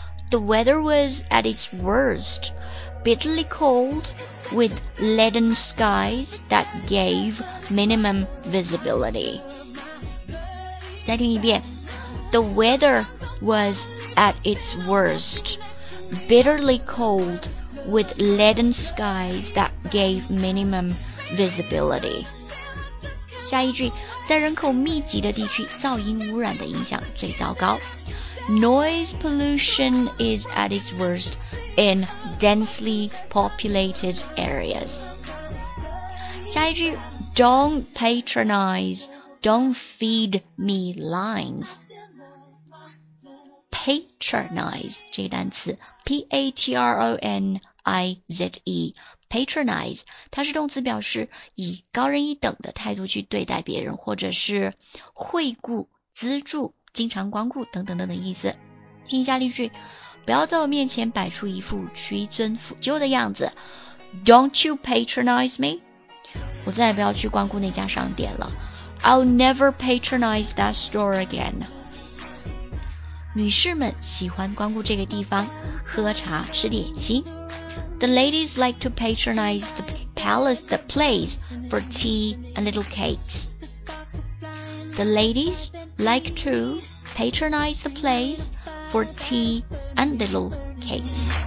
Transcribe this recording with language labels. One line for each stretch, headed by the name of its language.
English: The weather was at its worst, bitterly cold with leaden skies that gave minimum visibility.
Chinese: 再听一遍，
English: The weather was at its worstBitterly cold with leaden skies that gave minimum visibility.
Chinese: 下一句，在人口密集的地区，噪音污染的影响最糟糕。
English: Noise pollution is at its worst in densely populated areas.
Chinese: 下一句，
English: Don't patronize, don't feed me lines.
Chinese: Patronize 这个单词 P-A-T-R-O-N-I-Z-E Patronize 它是动词表示以高人一等的态度去对待别人，或者是惠顾、资助、经常光顾等等等等意思。听一下例句，不要在我面前摆出一副屈尊俯就的样子。
English: Don't you patronize me?
Chinese: 我再也不要去光顾那家商店了。
English: I'll never patronize that store again.
Chinese: 女士们喜欢光顾这个地方，喝茶吃点心。
English: The ladies like to patronize the palace, the place for tea and little cakes. The ladies like to patronize the place for tea and little cakes.